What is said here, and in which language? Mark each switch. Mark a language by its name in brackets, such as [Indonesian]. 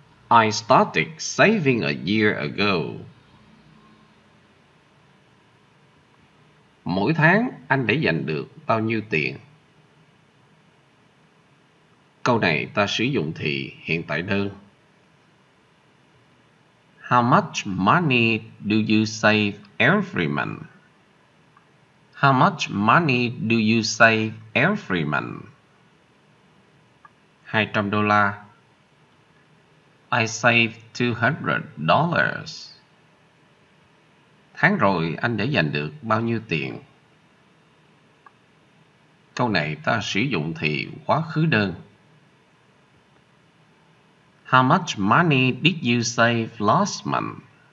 [English] I started saving a year ago. [Vietnamese] Mỗi tháng anh để dành được bao nhiêu tiền? Câu này ta sử dụng thì hiện tại đơn. [English] How much money do you save every month? How much money do you save every month? $200. I save $200. [Vietnamese] Tháng rồi anh để dành được bao nhiêu tiền? Câu này ta sử dụng thì quá khứ đơn. [English] How much money did you save last month?